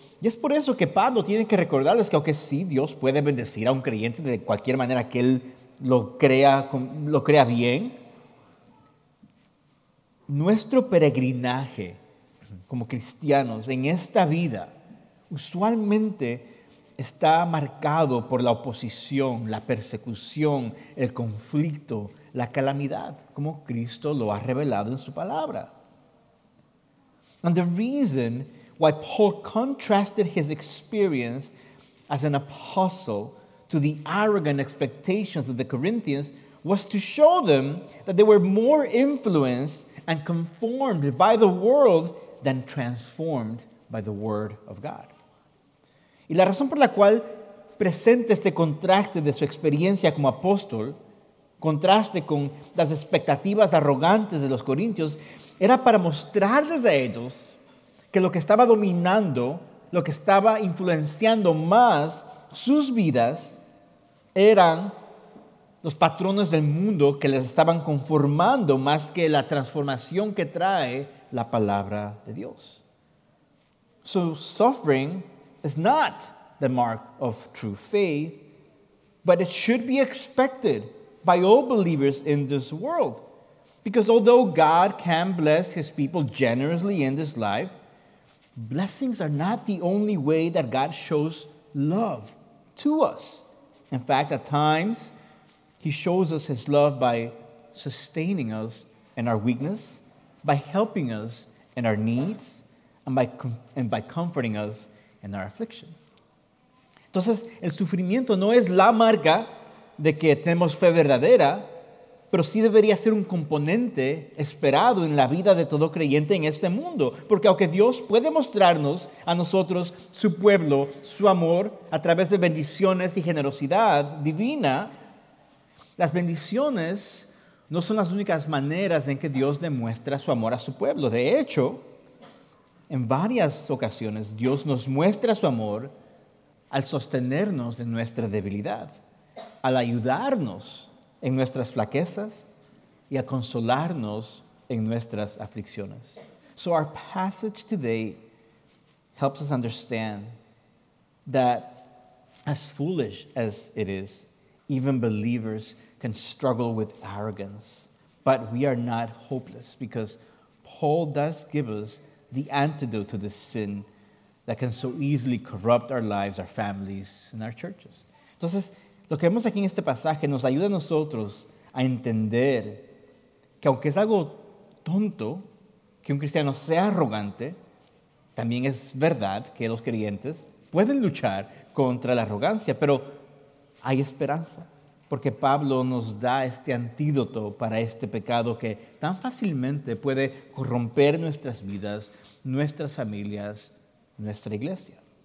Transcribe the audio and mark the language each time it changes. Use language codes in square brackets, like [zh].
[es] Y es por eso que Pablo tiene que recordarles que, aunque sí, Dios puede bendecir a un creyente de cualquier manera que él lo crea bien, nuestro peregrinaje como cristianos en esta vida usualmente está marcado por la oposición, la persecución, el conflicto, la calamidad, como Cristo lo ha revelado en su palabra. [en] And the reason why Paul contrasted his experience as an apostle to the arrogant expectations of the Corinthians was to show them that they were more influenced and conformed by the world than transformed by the word of God. [es] Y la razón por la cual presenta este contraste de su experiencia como apóstol, contraste con las expectativas arrogantes de los corintios, era para mostrarles a ellos que lo que estaba dominando, lo que estaba influenciando más sus vidas, eran los patrones del mundo que les estaban conformando más que la transformación que trae la palabra de Dios. [en] So suffering is not the mark of true faith, but it should be expected by all believers in this world. Because although God can bless his people generously in this life, blessings are not the only way that God shows love to us. In fact, at times, he shows us his love by sustaining us in our weakness, by helping us in our needs, and by comforting us in our affliction. [es] Entonces, el sufrimiento no es la marca de que tenemos fe verdadera, pero sí debería ser un componente esperado en la vida de todo creyente en este mundo. Porque aunque Dios puede mostrarnos a nosotros, su pueblo, su amor, a través de bendiciones y generosidad divina, las bendiciones no son las únicas maneras en que Dios demuestra su amor a su pueblo. De hecho, en varias ocasiones Dios nos muestra su amor al sostenernos de nuestra debilidad, al ayudarnos en nuestras flaquezas y a consolarnos en nuestras aflicciones. [en] So our passage today helps us understand that as foolish as it is, even believers can struggle with arrogance. But we are not hopeless because Paul does give us the antidote to this sin that can so easily corrupt our lives, our families, and our churches. [es] Entonces, lo que vemos aquí en este pasaje nos ayuda a nosotros a entender que, aunque es algo tonto que un cristiano sea arrogante, también es verdad que los creyentes pueden luchar contra la arrogancia, pero hay esperanza, porque Pablo nos da este antídoto para este pecado que tan fácilmente puede corromper nuestras vidas, nuestras familias, nuestra iglesia.